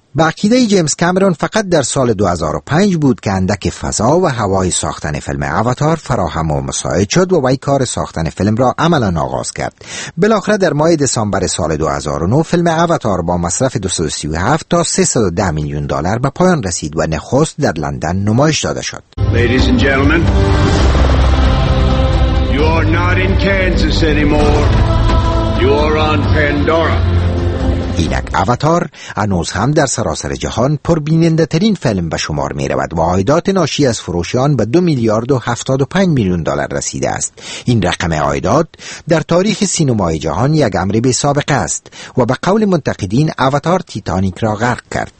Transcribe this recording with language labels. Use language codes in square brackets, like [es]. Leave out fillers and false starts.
[fa] با عقیده جیمز کامرون فقط در سال 2005 بود که اندک فضا و هوای ساختن فیلم اواتار فراهم و مساعد شد و وی کار ساختن فیلم را عملا آغاز کرد. بالاخره در ماه دسامبر سال 2009 فیلم اواتار با مصرف 237 تا 310 میلیون دلار به پایان رسید و نخست در لندن نمایش داده شد. [en] Ladies and gentlemen, you are not in Kansas anymore. You are on Pandora. [fa] اینک اواتار هنوز هم در سراسر جهان پربیننده ترین فیلم به شمار می رود و عایدات ناشی از فروش آن به 2 میلیارد و 75 میلیون دلار رسیده است. این رقم عایدات در تاریخ سینمای جهان یک امر بی سابقه است و به قول منتقدین اواتار تیتانیک را غرق کرد.